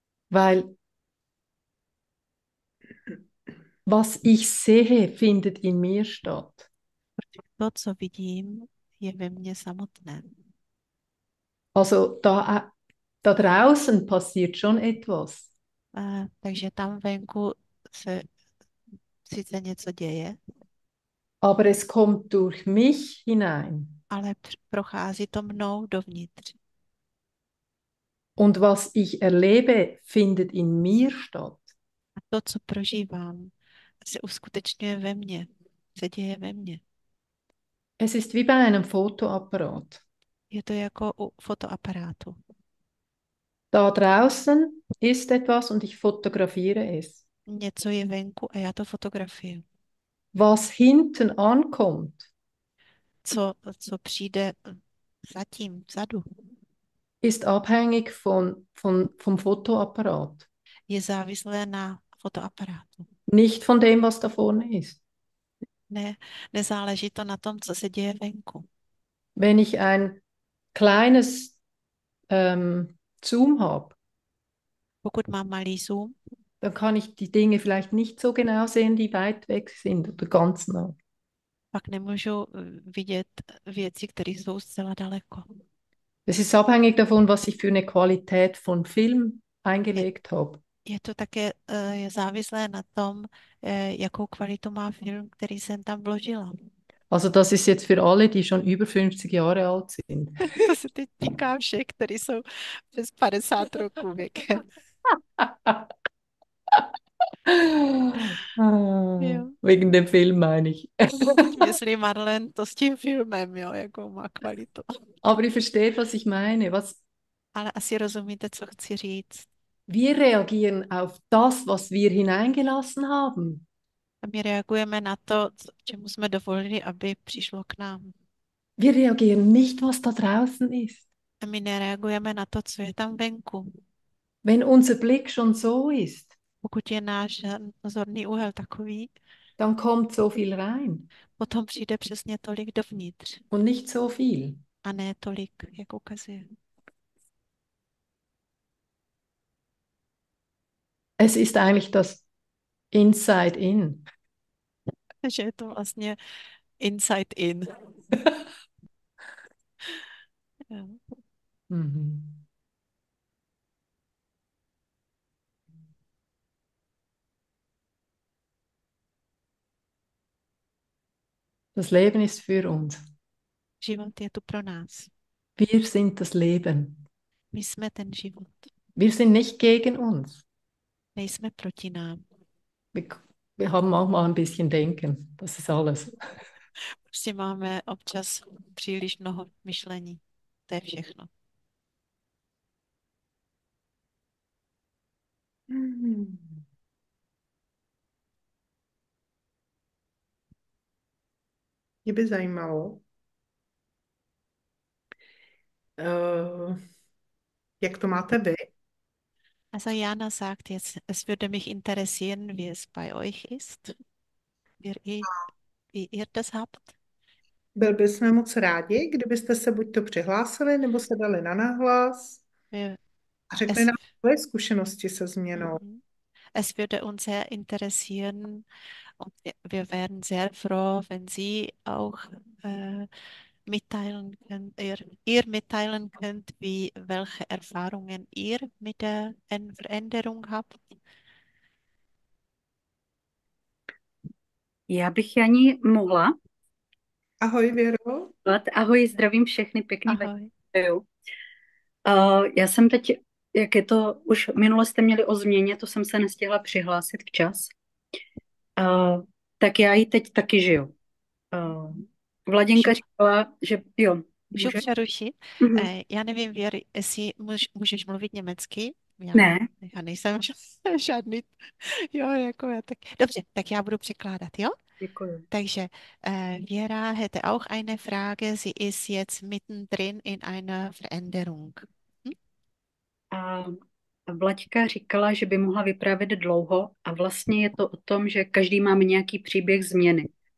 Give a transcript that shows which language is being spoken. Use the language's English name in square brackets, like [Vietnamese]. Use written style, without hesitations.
[German] Weil was ich sehe, findet in mir statt. [Czech] To, co vidím, je ve mně samotném. [German] Also da draußen passiert schon etwas. [Czech] Takže tam venku se sice něco děje, [German] Aber es kommt durch mich hinein. [Czech] ale prochází to mnou dovnitř. [German] Und was ich erlebe, findet in mir statt. [Czech] to, co prožívám, se uskutečňuje ve mně, se děje ve mně. [German] Es ist wie bei einem Fotoapparat. [Czech] Je to jako u fotoaparátu. [German] Da draußen ist etwas und ich fotografiere es. [Czech] Něco je venku a já to fotografuji. [German] Was hinten ankommt, [Czech] Co přijde zatím, vzadu. [German] ist abhängig vom Fotoapparat. [Czech] Je závislé na fotoaparátu. [German] Nicht von dem, was da vorne ist. [Czech] Ne, nezáleží to na tom, co se děje venku. [German] Wenn ich ein kleines Zoom habe, [Czech] Pokud mám malý zoom. [German] dann kann ich die Dinge vielleicht nicht so genau sehen, die weit weg sind oder ganz nah. [Czech] Pak nemůžu vidět věci, které jsou zcela daleko. [German] Es ist abhängig davon, was ich für eine Qualität von Film eingelegt habe. [Czech] Je to také je závislé na tom, jakou kvalitu má film, který jsem tam vložila. [German] Also das ist jetzt für alle, die schon über 50 Jahre alt sind. [Czech] To se teď týká všech, kteří jsou přes 50 roků věkem. Jo. [German] Wegen dem Film meine ich. [Czech] Myslím, Marlen, to s tím filmem, jo, jakou má kvalitu. [German] Aber ihr versteht, was ich meine. Was [Czech] Ale asi rozumíte, co chci říct. [German] wir reagieren auf das, was wir hineingelassen haben. [Czech] A my reagujeme na to, čemu jsme dovolili, aby přišlo k nám. [German] Wir reagieren nicht, was da draußen ist. [Czech] A my nereagujeme na to, co je tam venku. [German] Wenn unser Blick schon so ist, [Czech] Pokud je náš zorný úhel takový, [German] dann kommt so viel rein. [Czech] potom přijde přesně tolik dovnitř. [German] Und nicht so viel. [Czech] A ne tolik, jak ukazuje. [German] Es ist eigentlich das Inside In. [Czech] Že je to vlastně inside in. Jo. [German] Das Leben ist für uns. [Czech] Život je tu pro nás. [German] Wir sind das Leben. [Czech] My jsme ten život. [German] Wir sind nicht gegen uns. [Czech] Nejsme proti nám. [German] Wir haben manchmal ein bisschen Denken. Das ist alles. [Czech] Prostě máme občas příliš mnoho myšlení. To je všechno. Mě by zajímalo, jak to máte vy? [German] Also Jana sagt jetzt, es würde mich interessieren, wie es bei euch ist, wie ihr das habt. [Czech] Byl bychom moc rádi, kdybyste se buď to přihlásili, nebo se dali na náhlas a řekli nám svoje zkušenosti se změnou. [German] Es würde uns sehr interessieren und wir wären sehr froh, wenn Sie auch mitteilen könnt, ihr mitteilen könnt, wie welche Erfahrungen ihr mit der Veränderung habt. [Czech] Já bych ani mohla. Ahoj, Věro. Ahoj, zdravím všechny, pěkný večer. Ahoj. Já jsem teď, jak je to, už minule jste měli o změně, to jsem se nestihla přihlásit včas. Tak já ji teď taky žiju. Vladěnka říkala, že jo, Můžu může? přerušit? Já nevím, Věr, jestli můžeš mluvit německy? Ne. Já nejsem žádný. Jo, jako já tak. Dobře, tak já budu překládat, jo? Děkuji. Takže [German] Věra hätte auch eine Frage. Sie ist jetzt mittendrin in einer Veränderung. [Czech] A Vlaďka říkala, že by mohla vyprávět dlouho a vlastně je to o tom, že každý máme nějaký příběh změny.